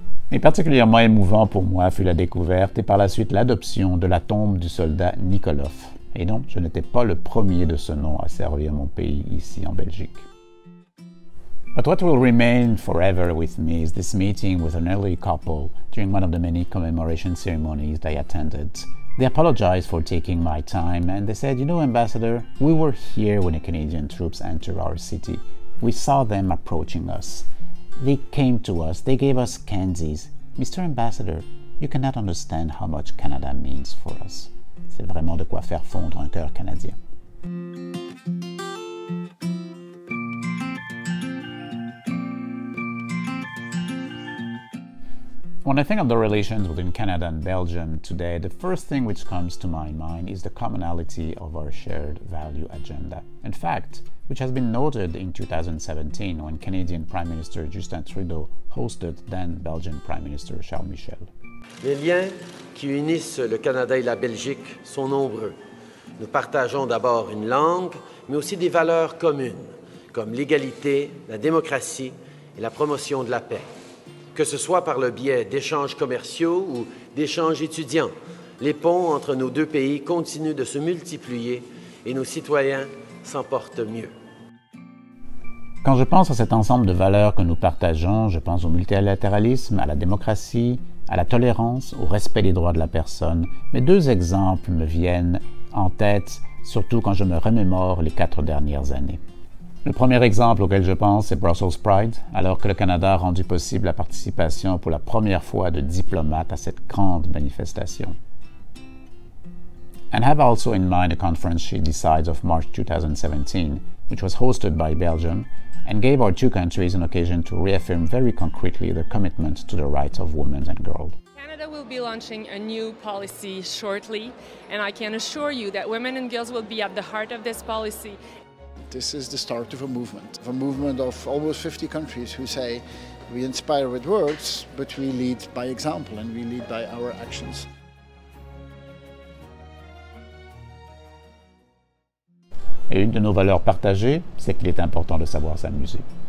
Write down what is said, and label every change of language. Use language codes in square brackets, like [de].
[fr] Et particulièrement émouvant pour moi fut la découverte et par la suite l'adoption de la tombe du soldat Nikolov. Et non, je n'étais pas le premier de ce nom à servir mon pays ici en Belgique. [en] But what will remain forever with me is this meeting with an elderly couple during one of the many commemoration ceremonies they attended. They apologized for taking my time and they said, "You know, Ambassador, we were here when the Canadian troops entered our city. We saw them approaching us. They came to us. They gave us candies. Mr. Ambassador, you cannot understand how much Canada means for us." [fr] C'est vraiment de quoi faire fondre un cœur canadien. [en] When I think of the relations between Canada and Belgium today, the first thing which comes to my mind is the commonality of our shared value agenda. In fact, which has been noted in 2017 when Canadian Prime Minister Justin Trudeau hosted then Belgian Prime Minister Charles Michel. [fr] Les liens qui unissent le Canada et la Belgique sont nombreux. Nous partageons d'abord une langue, mais aussi des valeurs communes, comme l'égalité, la démocratie et la promotion de la paix. Que ce soit par le biais d'échanges commerciaux ou d'échanges étudiants, les ponts entre nos deux pays continuent de se multiplier et nos citoyens s'en portent mieux. Quand je pense à cet ensemble de valeurs que nous partageons, je pense au multilatéralisme, à la démocratie, à la tolérance, au respect des droits de la personne. Mais deux exemples me viennent en tête, surtout quand je me remémore les quatre dernières années. Le premier exemple auquel je pense, c'est Brussels Pride, alors que le Canada a rendu possible la participation pour la première fois de diplomates à cette grande manifestation. [en] And have also in mind a conference she decides of March 2017, which was hosted by Belgium, and gave our two countries an occasion to reaffirm very concretely their commitment to the rights of women and girls. Canada will be launching a new policy shortly, and I can assure you that women and girls will be at the heart of this policy. This is the start of a movement of almost 50 countries who say we inspire with words, but we lead by example and we lead by our actions. [fr] Et une de nos valeurs partagées, c'est qu'il est important de savoir s'amuser.